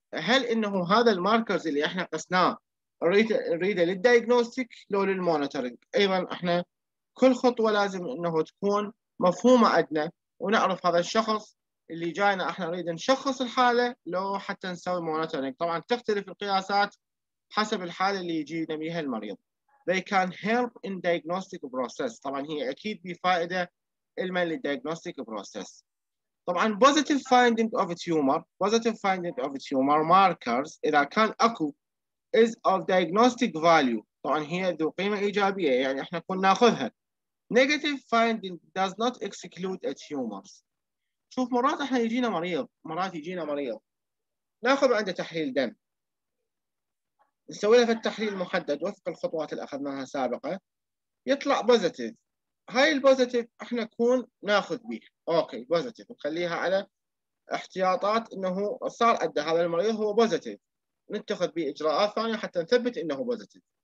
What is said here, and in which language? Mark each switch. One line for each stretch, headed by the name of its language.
Arabic: هل انه هذا الماركرز اللي احنا قسناه نريده للدايجنوستيك لو للمونيتورنج؟ ايضا احنا كل خطوه لازم انه تكون مفهومه عندنا ونعرف هذا الشخص اللي جاينا احنا نريد نشخص الحاله لو حتى نسوي مونيتورنج. طبعا تختلف القياسات حسب الحاله اللي يجينا بها المريض.
English: They can help in diagnostic process.
Arabic: طبعا هي اكيد بفائده الما للدياجنوستيك بروسيس.
English: طبعا positive finding of a tumor, positive finding of a tumor markers
Arabic: اذا كان اكو
English: is of diagnostic value.
Arabic: طبعا هي ذو قيمه ايجابيه يعني احنا كنا ناخذها.
English: Negative finding does not exclude a tumors.
Arabic: شوف مرات احنا يجينا مريض، مرات يجينا مريض ناخذ عنده تحليل دم. نسوي له في التحليل محدد وفق الخطوات اللي اخذناها سابقه يطلع بوزيتيف. هاي البوزيتيف احنا نكون ناخذ بيه اوكي بوزيتيف نخليها على احتياطات انه صار عنده هذا المريض هو بوزيتيف، نتخذ به اجراءات ثانيه حتى نثبت انه بوزيتيف.